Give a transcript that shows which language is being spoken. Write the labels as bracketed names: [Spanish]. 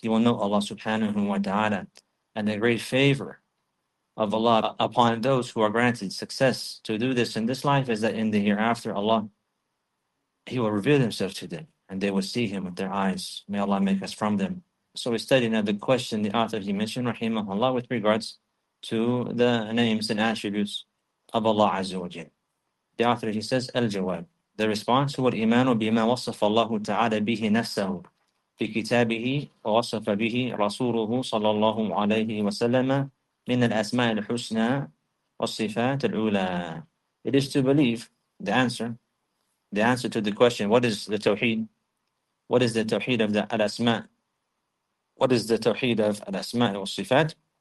[English] He will know Allah subhanahu wa ta'ala and the great favor of Allah upon those who are granted success to do this in this life is that in the hereafter, Allah, He will reveal Himself to them. And they will see him with their eyes. May Allah make us from them. So we study now the question the author he mentioned, rahimahullah, with regards to the names and attributes of Allah Azza wa Jal. The author he says, Al-Jawab. The response, [Arabic] هو الإيمان بما وصف الله تعالى به نفسه في كتابه ووصف به رسوله صلى الله عليه وسلم من الأسماء الحسنى والصفات الأولى. [English] It is to believe the answer. The answer to the question, what is the Tawheed? What is the Tawheed of the Al-Asma? What is the Tawheed of Al-Asma al-Sifat?